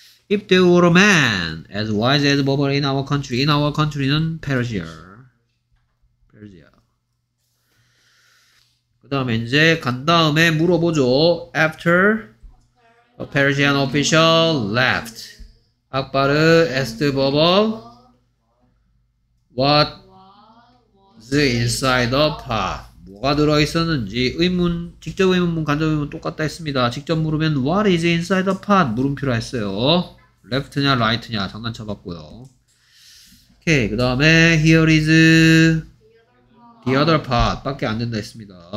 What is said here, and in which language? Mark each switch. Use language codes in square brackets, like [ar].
[en] If there were a man as wise as Bubble in our country, in our country는 Persia. [ko] 그 다음에 이제 간 다음에 물어보죠. [en] After a Persian official left, 악바르 asked Bubble what was inside the pot. [ko] 뭐가 들어있었는지 의문, 직접 의문문, 간접 의문 똑같다 했습니다. 직접 물으면 [en] what is inside the pot [ko] 물음표라 했어요. left냐 right냐 장난쳐봤고요. 오케이. 그 다음에 [en] here is the other part [ko] 밖에 안 된다 했습니다.